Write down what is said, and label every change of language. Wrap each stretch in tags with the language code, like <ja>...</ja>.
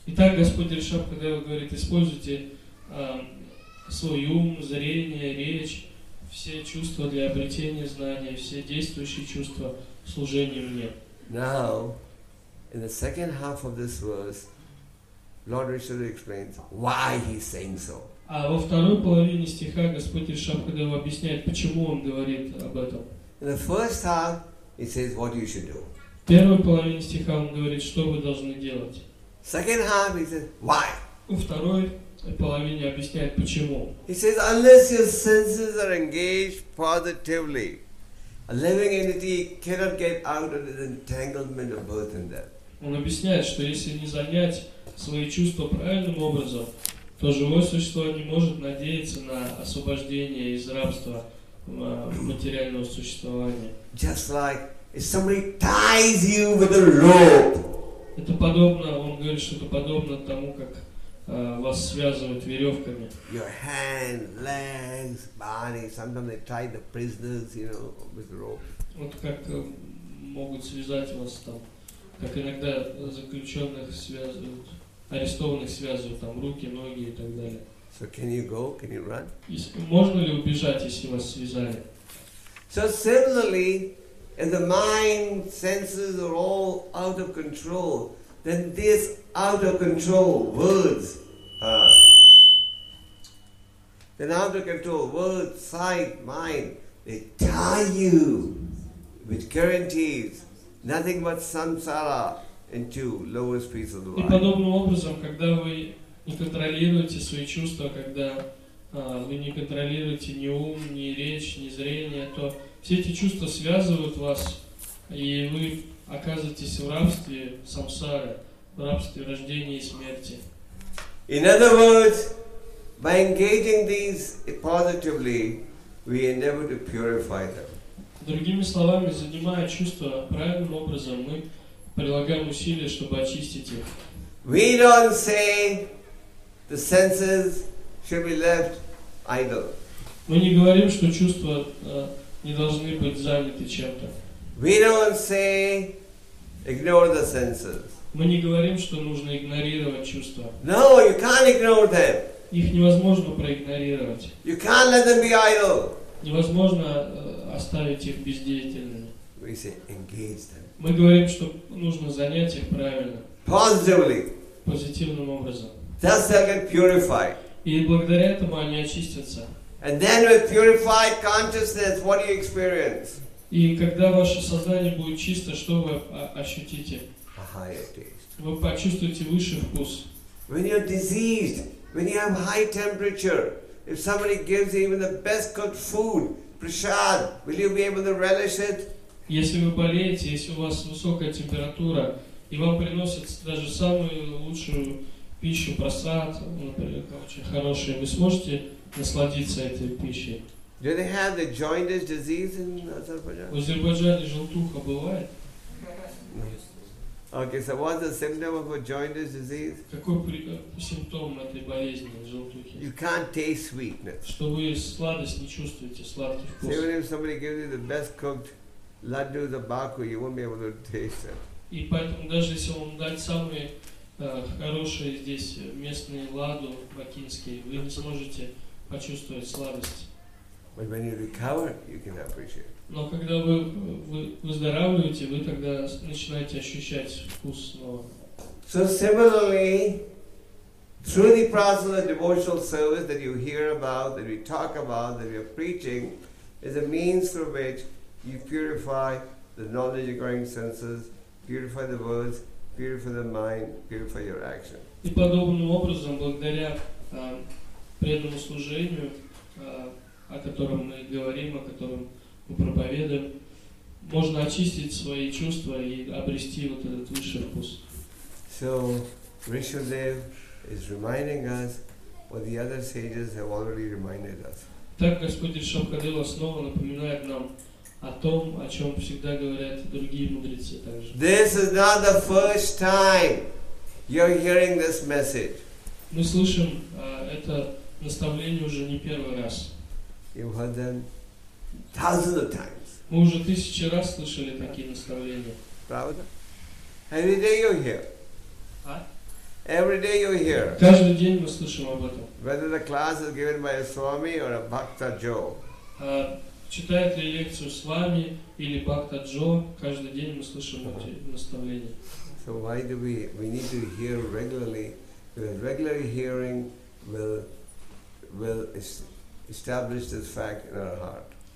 <ru>Итак, Господь Ришабха Кадева говорит, используйте свой ум, зрение, речь, все чувства для обретения знания, все действующие чувства служения мне.</ru> <en>Now, in the second half of this verse, Lord Ришабха explains why he's saying so.</en> <ru>А во второй половине стиха Господь Ришабхадева объясняет, почему он говорит об этом.</ru> <en>In the first half, he says what you should do.</en> <ru>В первой половине стиха он говорит, что вы должны делать.</ru> <en>Second half, he says why.</en> <ru>Во второй половине объясняет, почему.</ru> <en>He says unless your senses are engaged positively, a living entity cannot get out of the entanglement of birth and death.</en> <ru>Он объясняет, что если не занять свои чувства правильным образом, то живое существо не может надеяться на освобождение из рабства материального существования.</ru> <en>Just like if somebody ties you with a rope.</en> <ru>Это подобно, он говорит, что это подобно тому, как вас связывают веревками.</ru> <en>Your hands, legs, body. Sometimes they tie the prisoners, you know, with rope.</en> <ru>Вот как могут связать вас там, как иногда заключенных связывают. Арестованных связывают там руки, ноги и так далее.</ru> <en>So can you go? Can you run?</en> <ru>Можно ли убежать, если вас связали?</ru> <en>So similarly, and the mind senses are all out of control, then these out of control words are. Then out of control words, sight, mind, they tie you with guarantees, nothing but samsara into lowest piece of the life.</en> <ru>И подобным образом, когда вы не контролируете свои чувства, когда вы не контролируете ни ум, ни речь, ни зрение, то все эти чувства связывают вас, и вы оказываетесь в рабстве самсары, в рабстве рождения и смерти.</ru> <en>In other words, by engaging these positively, we endeavor to purify them.</en> <ru>Другими словами, занимая чувства правильным образом, мы прилагаем усилия, чтобы очистить их.</ru> <en>We don't say the senses should be left idle.</en> <ru>Мы не говорим, что чувства не должны быть заняты чем-то.</ru> <en>We don't say ignore the senses.</en> <ru>Мы не говорим, что нужно игнорировать чувства.</ru> <en>No, you can't ignore them.</en> <ru>Их невозможно проигнорировать.</ru> <en>You can't let them be idle.</en> <ru>Невозможно оставить их бездеятельными.</ru> <en>We say engage them.</en> <ru>Мы говорим, что нужно занять их правильно.</ru> <en>Positively.</en> <ru>Позитивным образом.</ru> <en>Thus they get purified.</en> <ru>И благодаря этому они очистятся.</ru> <en>And then with purified consciousness, what do you experience?</en> <ru>И когда ваше сознание будет чисто, что вы ощутите?</ru> <en>A higher taste.</en> <ru>Вы почувствуете высший вкус.</ru> <en>When you're diseased, when you have high temperature, if somebody gives you even the best cooked food, prasad, will you be able to relish it?</en> <ru>Если вы болеете, если у вас высокая температура, и вам приносят даже самую лучшую пищу, просад, например, очень хорошую, вы сможете насладиться этой пищей?</ru> <en>Do they have the jaundice disease in Azerbaijan?</en> <ru>В Азербайджане желтуха бывает?</ru> <en>Okay, so what's the symptom of a jaundice disease?</en> <ru>Какой симптом этой болезни желтухи?</ru> <en>You can't taste sweetness.</en> <ru>Что вы сладость не чувствуете, сладкий вкус.</ru> <en>Even if somebody gives you the best cooked laddu, the baku, you won't be able to taste it.</en> <ru>И поэтому даже если вам дать самые хорошие здесь местные ладу бакинские, вы не сможете почувствовать сладость.</ru> <en>But when you recover, you can appreciate.</en> <ru>Но когда вы выздоравливаете, вы тогда начинаете ощущать вкус нового.</ru> <en>So similarly, through the process of devotional service that you hear about, that we talk about, that we are preaching, is a means through which you purify the knowledge acquiring senses, purify the words, purify the mind, purify your action.</en> <ru>И подобным образом, благодаря преданному служению, о котором мы говорим, о котором мы проповедуем, можно очистить свои чувства и обрести вот этот высший вкус.</ru> <en>So, Rishudev is reminding us what the other sages have already reminded us.</en> <ru>Так Господь Ришабхадева снова напоминает нам о том, о чем всегда говорят другие мудрецы также.</ru> <en>This is not the first time you're hearing this message.</en> <ru>Мы слышим это наставление уже не первый раз.</ru> <en>You've heard them thousands of times.</en> <ru>Мы уже тысячи раз слышали такие наставления. Правда?</ru> <en>Every day you hear. Every day you hear.</en> <ru>Каждый день мы слышим об этом.</ru> <en>Whether the class is given by a Swami or a Bhakta Joe.</en> <ru>Читает ли лекцию Свами или Бхакта Джо, каждый день мы слышим эти наставления.</ru> <en>So why do we need to hear regularly? Because regular hearing will establish this fact in our heart.</en>